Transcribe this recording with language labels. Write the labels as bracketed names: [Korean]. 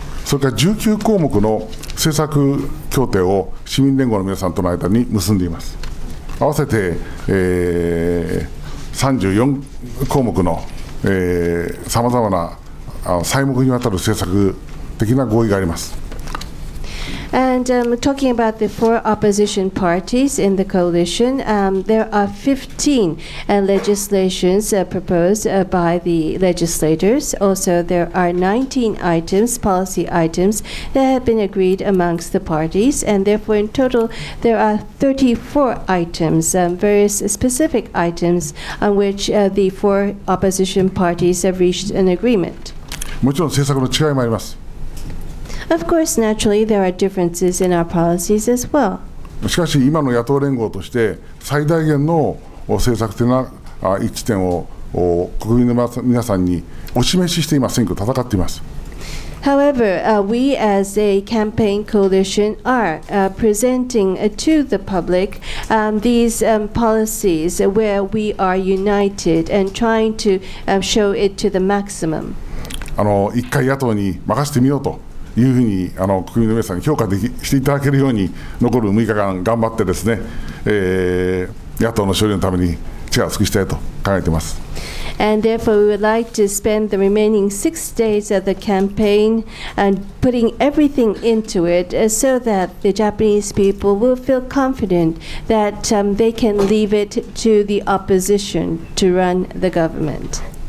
[Japanese] それから19項目の政策協定を市民連合の皆さんとの間に結んでいます。合わせて、34項目のさまざまな細目にわたる政策的な合意があります。 [English] And talking about the four opposition parties in the coalition, there are 15 legislations proposed by the legislators. Also, there are 19 items, policy items, that have been agreed amongst the parties. And therefore, in total, there are 34 items, various specific items, on which the four opposition parties have reached an agreement. [Japanese] もちろん政策の違いもあります。 [English] Of course, naturally, there are differences in our policies as well. [Japanese] しかし今の野党連合として最大限の政策というのは一致点を国民の皆さんにお示しして今選挙を戦っています。 [English] However, we as a campaign coalition are presenting to the public these policies where we are united and trying to show it to the maximum. [Japanese] 一回野党に任せてみようというふうに国民の皆さんに評価していただけるように残る6日間頑張ってですね、野党の勝利のために力を尽くしたいと考えています。 [English] And therefore, we would like to spend the remaining 6 days of the campaign and putting everything into it so that the Japanese people will feel confident that they can leave it to the opposition to run the government.